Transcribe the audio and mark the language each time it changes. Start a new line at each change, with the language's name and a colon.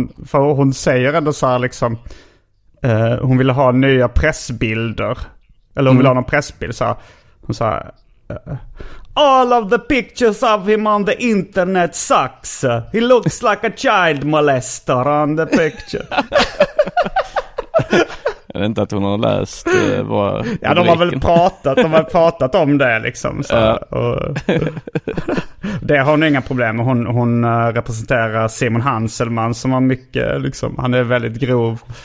Swedish: hon säger ändå så här liksom... hon ville ha nya pressbilder. Eller hon ville ha någon pressbild. Så här, hon sa...
English: All of the pictures of him on the internet sucks. He looks like a child molester on the picture.
Swedish: Jag vet inte att hon har läst våra rubriken. Ja, de har väl pratat om det liksom. Så. Det har hon inga problem med. Hon representerar Simon Hanselman som har mycket, liksom, han är väldigt grov.